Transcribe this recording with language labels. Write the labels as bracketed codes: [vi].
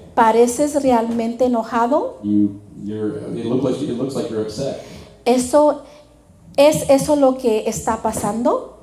[es] Pareces realmente enojado. [en] It looks like you're upset. [es] Eso. ¿Es eso lo que está pasando?